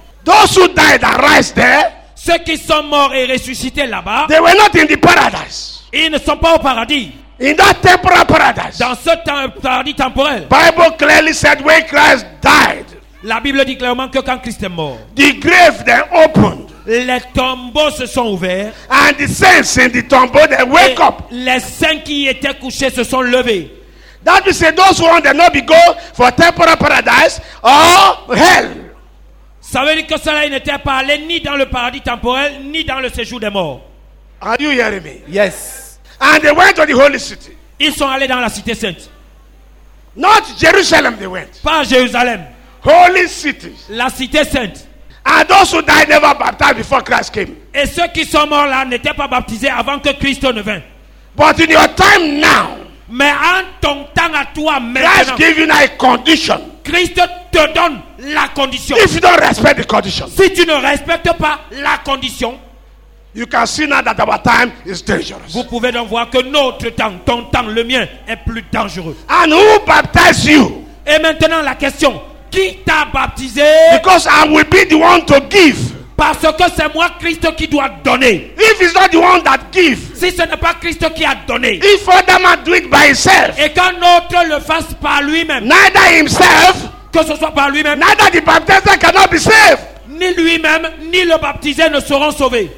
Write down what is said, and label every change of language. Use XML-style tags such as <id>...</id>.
<en>Those who died and rise there,</en> <fr>ceux qui sont morts et ressuscités là-bas,</fr> <en>they were not in the paradise.</en> <fr>Ils ne sont pas au paradis.</fr> <en>In that temporal paradise,</en> <fr>dans ce paradis temporel.</fr> <en>Bible clearly said when Christ died,</en> <fr>La Bible dit clairement que quand Christ est mort,</fr> <en>the grave then opened.</en> <fr>Les tombeaux se sont ouverts.</fr> <en>And the saints in the tombeau they wake up.</en> <fr>Les saints qui étaient couchés se sont levés.</fr> <en>That means those who will not be go for temporal paradise or hell.</en> <fr>Ça veut dire que cela n'était pas allé ni dans le paradis temporel ni dans le séjour des morts.</fr> <en>Are you hearing me? Yes. And they went to the holy city.</en> <fr>Ils sont allés dans la cité sainte.</fr> <en>Not Jerusalem they went.</en> <fr>Pas Jérusalem.</fr> <en>Holy city.</en> <fr>La cité sainte.</fr> <en>And those who died never baptized before Christ came.</en> <fr>Et ceux qui sont morts là n'étaient pas baptisés avant que Christ ne vint.</fr> <en>But in your time now.</en> <fr>Mais en ton temps à toi maintenant.</fr> <en>Christ gave you a condition.</en> <fr>Christ te donne la condition.</fr> <en>If you don't respect the condition.</en> <fr>Si tu ne respectes pas la condition.</fr> <en>You can see now that our time is dangerous.</en> <fr>Vous pouvez donc voir que notre temps, ton temps, le mien, est plus dangereux.</fr> <en>And who baptized you?</en> <fr>Et maintenant la question, qui t'a baptisé?</fr> <en>Because I will be the one to give.</en> <fr>Parce que c'est moi Christ qui doit donner.</fr> <en>If it's not the one that gives.</en> <fr>Si ce n'est pas Christ qui a donné.</fr> <en>If other man do it by himself.</en> <fr>Et qu'un autre le fasse par lui-même.</fr> <en>Neither himself.</en> <fr>Que ce soit par lui-même.</fr> <en>Neither the baptizer cannot be saved.</en> <fr>Ni lui-même ni le baptisé ne seront sauvés.</fr>